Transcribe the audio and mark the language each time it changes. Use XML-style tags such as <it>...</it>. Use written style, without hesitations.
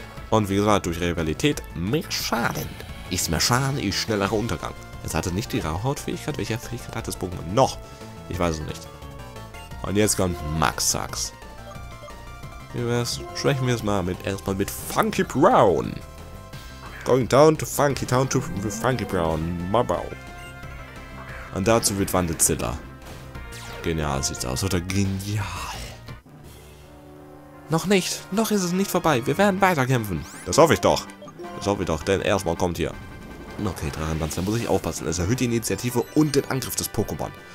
<de>Und wie gesagt, durch Rivalität mehr Schaden. Ist mehr Schaden, ist schnellerer Untergang. Es hatte nicht die Rauhautfähigkeit. Welche Fähigkeit hat das Pokémon noch? Ich weiß es nicht. Und jetzt kommt Maxax. Wie wär's? Sprechen wir es mal mit erstmal mit Funky Brown.</de> <en>Going down to Funky Town to Funky Brown.</en> <de>Mabau. Und dazu wird Vandezilla. Genial sieht's aus, oder? Genial. Noch nicht. Noch ist es nicht vorbei. Wir werden weiterkämpfen. Das hoffe ich doch. Das hoffe ich doch, denn erstmal kommt hier. Okay, Drachenlanz, da muss ich aufpassen. Es erhöht die Initiative und den Angriff des Pokémon.</de>